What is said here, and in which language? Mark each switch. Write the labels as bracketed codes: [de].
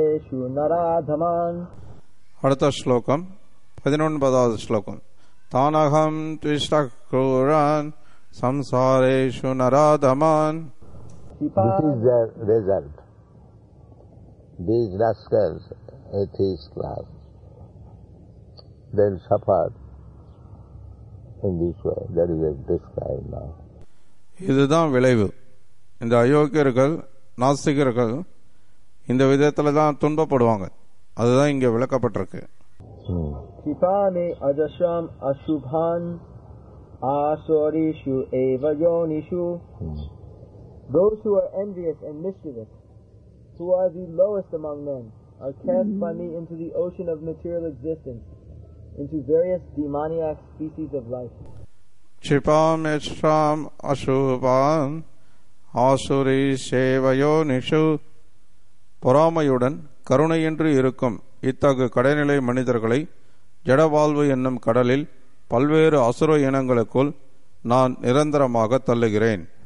[ta] அடுத்த ஸ்லோகம் 11வது ஸ்லோகம். [sa] தானகம் த்விஷ்ட க்ரூரன் சம்சாரேஷு நராதமன். [en] This is the result. These rascals, atheist class, they suffer in this way. That is described now. [ta] இதுதான் விளைவு. இந்த அயோக்கியர்கள், நாஸ்திகர்கள் இந்த விதத்துல தான் துன்பப்படுவாங்க. அதுதான் இங்க விளக்கப்பட்டிருக்கு. [sa] கிபாமி அஜஸ்வம் அசுபான் ஆசோரிஷு ஏவயோனிஷு. [en] Those who are envious and mischievous, who are the lowest among men, are cast by me into the ocean of material existence, into various demoniac species of life. [sa] கிபாமி அஜஸ்வம் அசுபான் ஆசோரிஷு ஏவயோனிஷு. [ta] பொறாமையுடன் கருணையின்றி இருக்கும் இத்தகு கடைநிலை மனிதர்களை ஜட வாழ்வு என்னும் கடலில் பல்வேறு அசுர இனங்களுக்குள் நான் நிரந்தரமாக தள்ளுகிறேன்.